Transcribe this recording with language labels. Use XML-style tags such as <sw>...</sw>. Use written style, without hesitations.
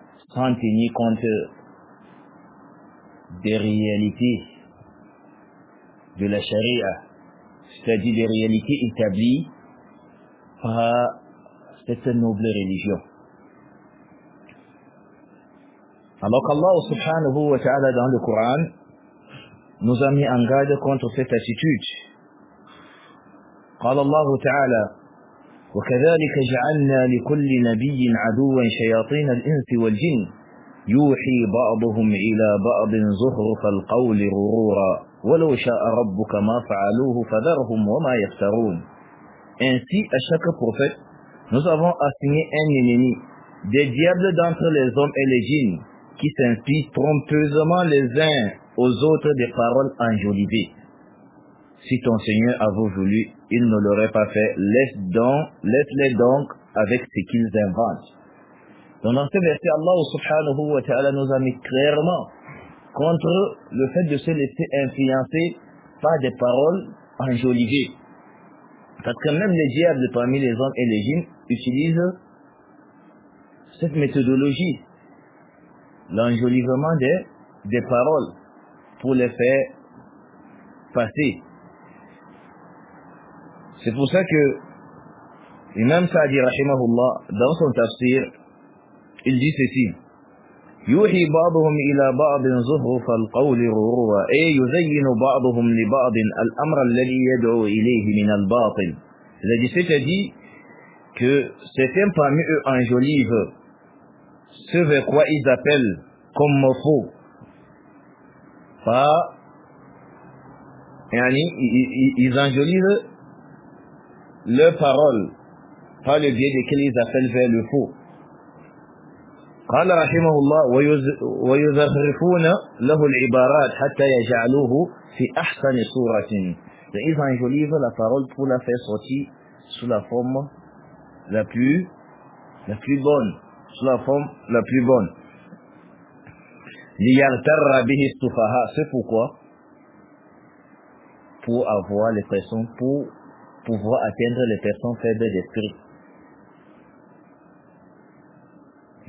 <fr>sans tenir compte des réalités de la charia, c'est-à-dire des réalités établies par cette noble religion. Alors qu'Allah subhanahu wa ta'ala dans le Coran nous a mis en garde contre cette attitude.</fr> <ar>قال الله تعالى وكذلك جعلنا لكل نبي عدوا شياطين الإنس والجن يوحي بعضهم إلى بعض زخرف القول غرورا ولو شاء ربك ما فعلوه فذرهم وما يفترون.</ar> <fr>Ainsi, à chaque prophète, nous avons assigné un ennemi, des diables d'entre les hommes et les djinns, qui s'inspirent trompeusement les uns aux autres des paroles enjolivées. Si ton Seigneur avait voulu, il ne l'aurait pas fait. Laisse-les donc avec ce qu'ils inventent. Donc dans ce verset, Allah subhanahu wa ta'ala nous a mis clairement contre le fait de se laisser influencer par des paroles enjolivées. Parce que même les diables parmi les hommes et les djinns utilisent cette méthodologie, l'enjolivement des paroles pour les faire passer. C'est pour ça que l'imam Sa'di rahimahullah dans son tafsir, il dit ceci:</fr> <ar>يوحي بعضهم إلى بعض زهرف القول غرورا أي يزين بعضهم لبعض الأمر الذي يدعو إليه من الباطل.</ar> <fr>C'est-à-dire que certains parmi eux enjolivent ce vers quoi ils appellent comme faux. Pas, ils enjolivent leur parole par le biais desquels ils appellent vers le faux.</fr> <ar>قال رحمه الله ويزخرفون له العبارات حتى يجعلوه في أحسن صورة.</ar> <fr>Ils enjolivent la parole pour la faire sortir sous la forme la plus bonne, sous la forme la plus bonne.</fr> <ar>ليغتر به السفهاء.</ar> <fr>C'est pourquoi? Pour avoir les personnes, pour pouvoir atteindre les personnes faibles d'esprit.</fr>